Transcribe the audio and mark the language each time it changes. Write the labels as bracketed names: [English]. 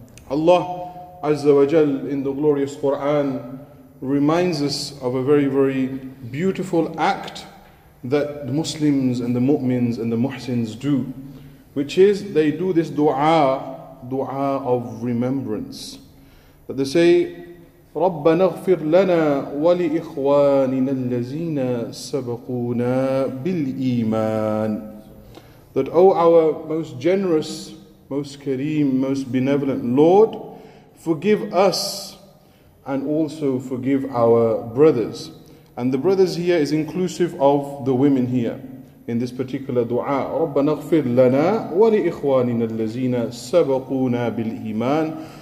[English] Allah Azza wa Jal in the glorious Quran reminds us of a very, very beautiful act that the Muslims and the Mu'mins and the Muhsins do, which is they do this dua of remembrance. That they say, [Arabic] رَبَّنَا اغْفِرْ لَنَا وَلِإِخْوَانِنَا الَّذِينَ سَبَقُونَا بِالْإِيمَانِ. [English] That, O our most generous, most kareem, most benevolent Lord, forgive us and also forgive our brothers. And the brothers here is inclusive of the women here in this particular dua. [Arabic] رَبَّنَا اغْفِرْ لَنَا وَلِإِخْوَانِنَا الَّذِينَ سَبَقُونَا بِالْإِيمَانِ.